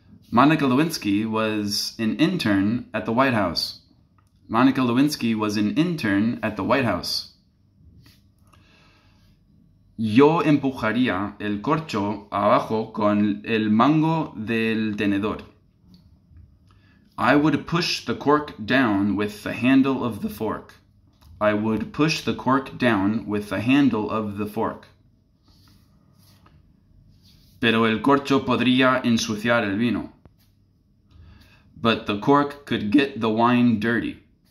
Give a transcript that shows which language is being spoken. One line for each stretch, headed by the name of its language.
English: Monica Lewinsky was an intern at the White House. Monica Lewinsky was an intern at the White House.
Spanish: Yo empujaría el corcho abajo con el mango del tenedor.
English: I would push the cork down with the handle of the fork. I would push the cork down with the handle of the fork. Pero el corcho podría ensuciar el vino. But the cork could get the wine dirty.